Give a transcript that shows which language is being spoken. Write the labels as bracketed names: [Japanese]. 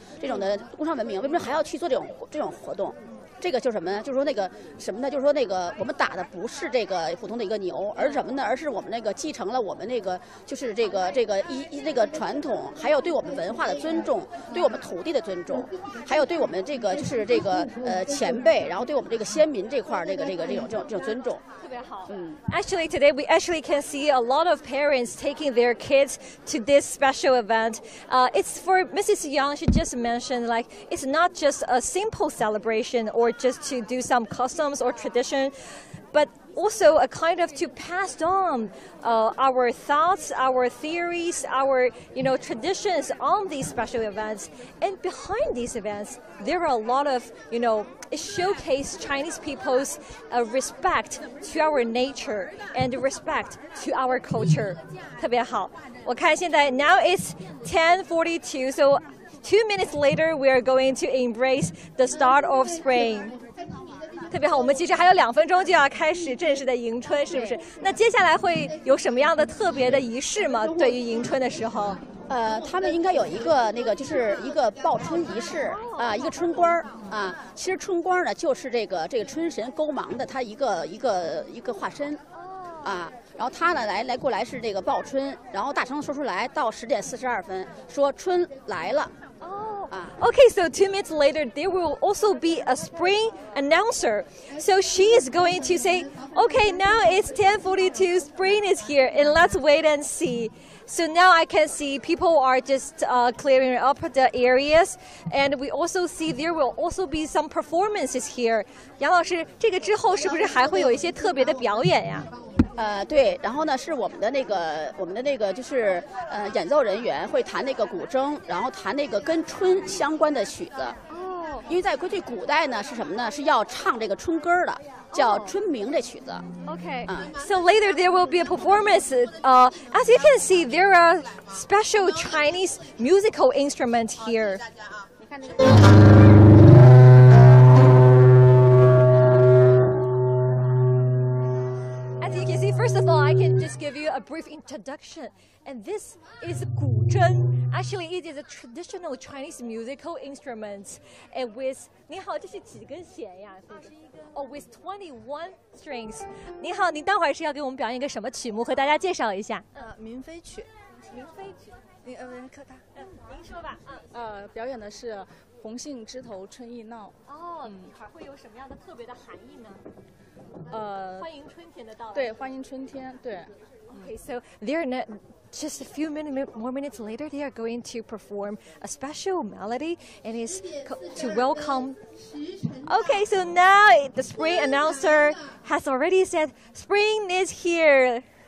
[Chinese] 那您今天也看到，其实有大朋友小朋友特别多。您觉得这些就是以前的那些传统，好像也能够很好的被传承下来了，是不是？对，我觉得像这种活动，小孩参与是最好的，因为人们都知道这个打春牛或者鞭春，那打的是什么呢？就是我们已经从这个从咱们的最早的这农耕文明，已经进入到这个这种的工商文明，为什么还要去做这种活动？这个就是什么呢？就是说那个什么呢？就是说那个我们打的不是这个普通的一个牛，而什么呢？而是我们那个继承了我们那个就是这个传统，还有对我们文化的尊重，对我们土地的尊重，还有对我们这个就是这个前辈，然后对我们这个先民这块这个这种尊重。 [English] Actually, today we actually can see a lot of parents taking their kids to this special event. It's for Mrs. Yang, she just mentioned, like, it's not just a simple celebration or just to do some customs or tradition, but also a kind of to pass on our thoughts, our theories, our, you know, traditions on these special events. And behind these events, there are a lot of, you know, it showcases Chinese people's respect to our nature and respect to our culture. [Chinese] 特别好。我看现在 [English] now it's 10:42, so 2 minutes later, we are going to embrace the start of spring. [Chinese] 特别好，我们其实还有两分钟就要开始正式的迎春，是不是？那接下来会有什么样的特别的仪式吗？对于迎春的时候？他们应该有一个那个，就是一个报春仪式啊，一个春官啊。其实春官呢，就是这个春神勾芒的他一个化身，啊。然后他呢来过来是这个报春，然后大声说出来，到10:42说春来了。 [English] Okay, so 2 minutes later, there will also be a spring announcer. So she is going to say, okay, now it's 10:42, spring is here, and let's wait and see. So now I can see people are just clearing up the areas, and we also see there will also be some performances here. [Chinese] 杨老师，这个之后是不是还会有一些特别的表演呀？对，然后呢是我们的那个就是演奏人员会弹那个古筝，然后弹那个跟春相关的曲子。因为在过去古代呢是什么呢，是要唱这个春歌的，叫春鸣这曲子。 [English] Okay. So later there will be a performance. As you can see, there are special Chinese musical instruments here. 好, I can just give you a brief introduction. And this is 古筝.Actually, it is a traditional Chinese musical instrument. And with [Chinese] 你好，这是几根弦呀？哦 ， [English] with 21 strings. [Chinese] 你好，您待会儿是要给我们表演一个什么曲目？和大家介绍一下。民飞曲。民飞曲。您客套。您说吧。表演的是《红杏枝头春意闹》。哦，一会儿会有什么样的特别的含义呢？欢迎春天的到来。对，欢迎春天。对。 [English] Okay, so they're not, just a few more minutes later, they are going to perform a special melody, and it's to welcome. Okay, so now the spring announcer has already said, spring is here.